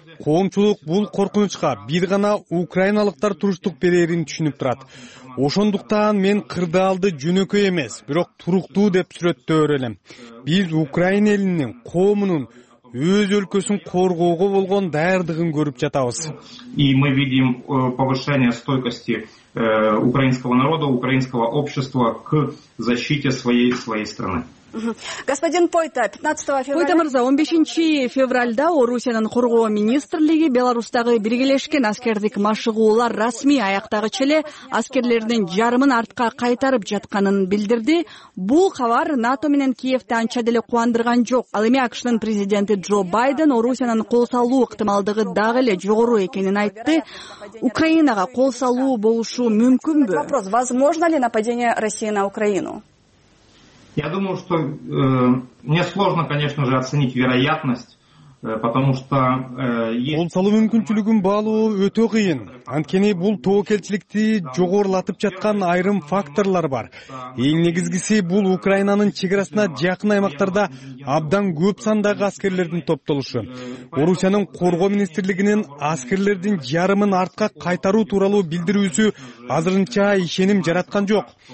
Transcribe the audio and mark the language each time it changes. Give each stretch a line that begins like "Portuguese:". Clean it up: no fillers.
Kyrgyz: Коомчулук бул коркунучка бир гана украиналыктар туруштук берерин түшүнүп турат. Ошондуктан мен кырдаалды жөнөкөй эмес, бирок туруктуу деп сүрөттөөр элем. Биз Украин элинин коомунун өз өлкөсүн коргоого болгон даярдыгын көрүп жатабыз.
Russian: И мы видим повышение стойкости украинского народа, украинского общества к защите своей страны. Господин Пойта, 15 февраля.
Kyrgyz: Пойта мырза, 15-февралда Орусиянын коргоо министрлиги Беларусьтагы биргелешкен аскердик машыгуулар расмий аяктагыча эле аскерлердин жарымын артка кайтарып жатканын билдирди. Бул кабар НАТО менен Киевти анча деле кубандырган жок. Ал эми АКШнын президенти Джо Байден Орусиянын кол салуу ыктымалдыгы дагы эле жогору экенин айтты. Украинага кол салуу болушу мүмкүнбү?
Russian: Вопрос: возможно ли нападение России на Украину? Я думаю, что мне сложно, конечно же, оценить вероятность, потому что
Kyrgyz: Кол салуу мүмкүнчүлүгүн баалоо өтө кыйын. Анткени бул тоокелчиликти жогорулатып жаткан айрым факторлор бар. Эң негизгиси бул Украинанын чек арасына жакын аймактарда абдан көп сандагы аскерлердин топтолушу. Орусиянын коргоо министрлигинин аскерлердин жарымын артка кайтаруу тууралуу билдирүүсү азырынча ишеним жараткан жок.